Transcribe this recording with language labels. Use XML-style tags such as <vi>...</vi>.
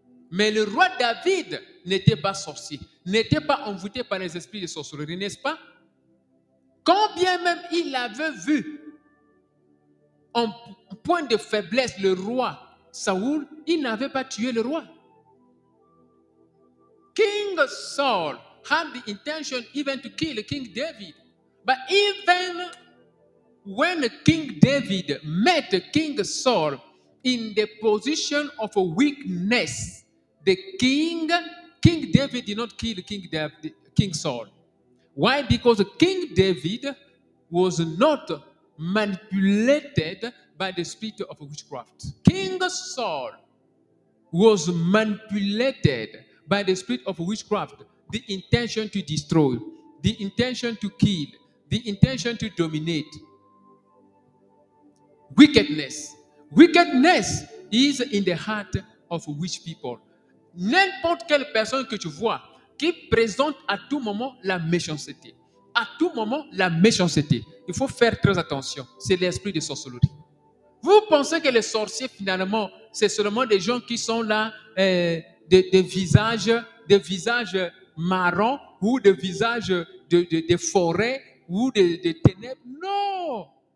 <fr>Mais le roi David n'était pas sorcier, n'était pas envoûté par les esprits de sorcellerie, n'est-ce pas? Quand bien même il avait vu en point de faiblesse le roi Saoul, il n'avait pas tué le roi.</fr> <en>King Saul had the intention even to kill King David. But even when King David met King Saul in the position of a weakness, the King David did not kill King Saul. Why? Because King David was not manipulated by the spirit of witchcraft. King Saul was manipulated by the spirit of witchcraft, the intention to destroy, the intention to kill, the intention to dominate. Wickedness. Wickedness is in the heart of witch people.</en> <fr>N'importe quelle personne que tu vois qui présente à tout moment la méchanceté. À tout moment, la méchanceté. Il faut faire très attention. C'est l'esprit de sorcellerie. Vous pensez que les sorciers, finalement, c'est seulement des gens qui sont là, des visages marrons ou des visages de forêts ou de ténèbres. Non!</fr>